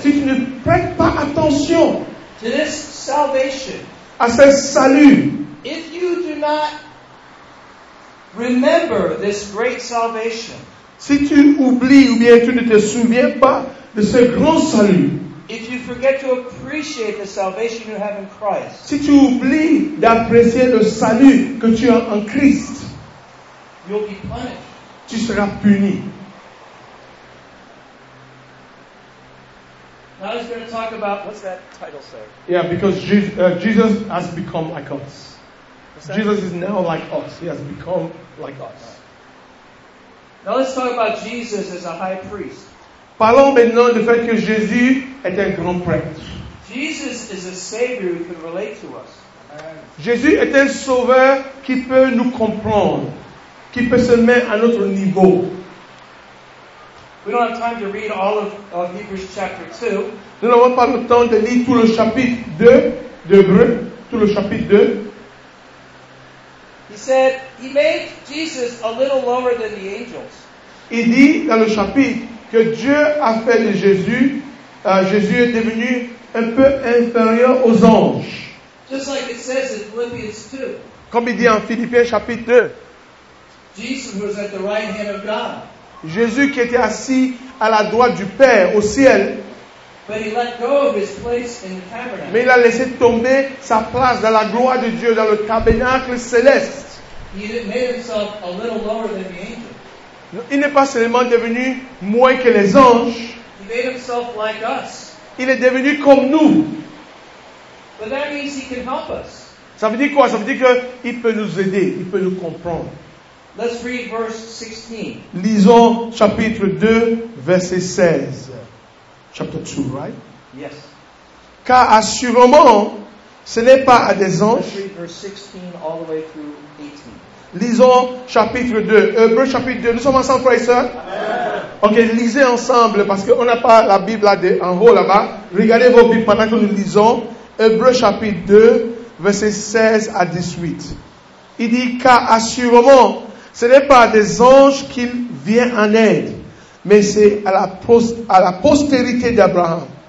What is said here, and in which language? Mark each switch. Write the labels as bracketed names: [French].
[French] si tu ne prêtes pas attention [English] to this salvation, [French] à ce salut, [English] if you do not remember this great salvation, [French] si tu oublies ou bien tu ne te souviens pas de ce grand salut, [English] if you forget to appreciate the salvation you have in Christ, [French] si tu oublies d'apprécier le salut que tu as en Christ, [English] you'll be punished. [French] Tu seras puni. [English] Now he's going to talk about, what's that title say? Yeah, because Jesus has become like us. Jesus is now like us. He has become like us. Now let's talk about Jesus as a high priest. [French] Parlons maintenant du fait que Jésus est un grand prêtre. [English] Jesus is a savior who can relate to us. [French] Jésus est un sauveur qui peut nous comprendre. Qui peut se mettre à notre niveau. [English] We don't have time to read all of Hebrews chapter 2. [French] Nous n'avons pas le temps de lire tout le chapitre 2 d'Hébreux, tout le chapitre 2. [English] He said he made Jesus a little lower than the angels. [French] Il dit dans le chapitre que Dieu a fait de Jésus, Jésus est devenu un peu inférieur aux anges. [English] Just like it says in Philippians 2. [French] Comme il dit en Philippiens chapitre 2. [English] Jesus was at the right hand of God. [French] Jésus qui était assis à la droite du Père au ciel. [English] But he let go of his place in the tabernacle. [French] Mais il a laissé tomber sa place dans la gloire de Dieu, dans le tabernacle céleste. [English] He made himself a little lower than the angels. [French] Il n'est pas seulement devenu moins que les anges. [English] He made himself like us. [French] Il est devenu comme nous. [English] But that means he can help us. [French] Ça veut dire quoi? Ça veut dire qu'il peut nous aider, il peut nous comprendre. [English] Let's read verse 16. [French] Lisons chapitre 2, verset 16. [English] Chapter 2, right? Yes. [French] Car assurément, ce n'est pas à des anges. [English] Let's read verse 16 all the way through 18. [French] Lisons chapitre 2. Hébreux chapitre 2. Nous sommes ensemble, frères et sœurs? Amen. Ok, lisez ensemble parce qu'on n'a pas la Bible là, en haut là-bas. Regardez vos Bibles pendant que nous lisons. Hébreux chapitre 2, verset 16 à 18. Il dit, car assurément, ce n'est pas des anges qu'il vient en aide, mais c'est à la postérité d'Abraham.